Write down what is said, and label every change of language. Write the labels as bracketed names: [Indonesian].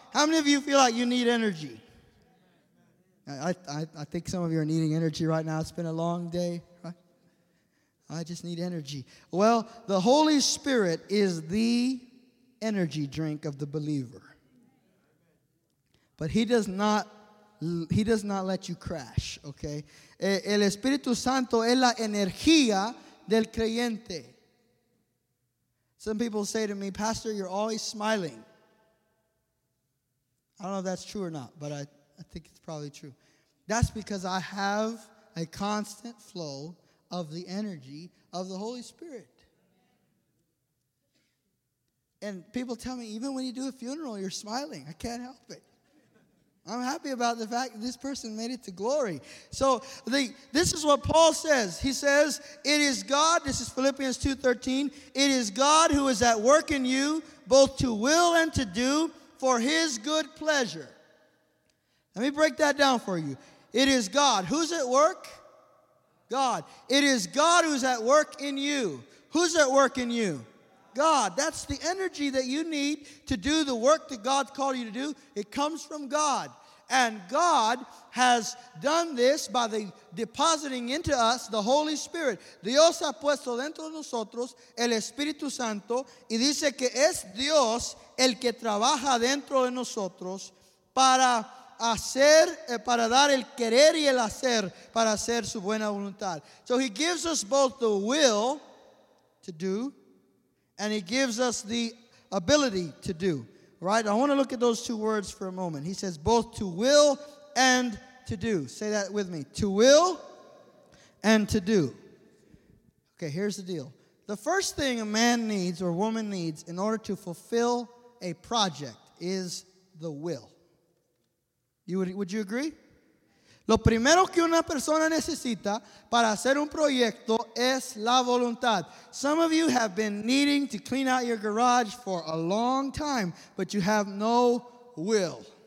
[English] How many of you feel like you need energy? I think some of you are needing energy right now. It's been a long day, right? I just need energy. Well, the Holy Spirit is the energy drink of the believer. But he does not let you crash, okay? [Spanish] El Espíritu Santo es la energía del creyente. [English] Some people say to me, Pastor, you're always smiling. I don't know if that's true or not, but I think it's probably true. That's because I have a constant flow of the energy of the Holy Spirit. And people tell me, even when you do a funeral, you're smiling. I can't help it. I'm happy about the fact that this person made it to glory. So this is what Paul says. He says, it is God, this is Philippians 2:13, it is God who is at work in you both to will and to do for his good pleasure. Let me break that down for you. It is God. Who's at work? God. It is God who's at work in you. Who's at work in you? God. That's the energy that you need to do the work that God called you to do. It comes from God. And God has done this by the depositing into us the Holy Spirit. [Spanish] Dios ha puesto dentro de nosotros el Espíritu Santo, y dice que es Dios el que trabaja dentro de nosotros para hacer, para dar el querer y el hacer, para hacer su buena voluntad. [English] So he gives us both the will to do, and he gives us the ability to do. Right? I want to look at those two words for a moment. He says both to will and to do. Say that with me. To will and to do. Okay, here's the deal. The first thing a man needs or woman needs in order to fulfill a project is the will. Would you agree? [Spanish] Lo primero que una persona necesita para hacer un proyecto es la voluntad. [English] Some of you have been needing to clean out your garage for a long time, but you have no will.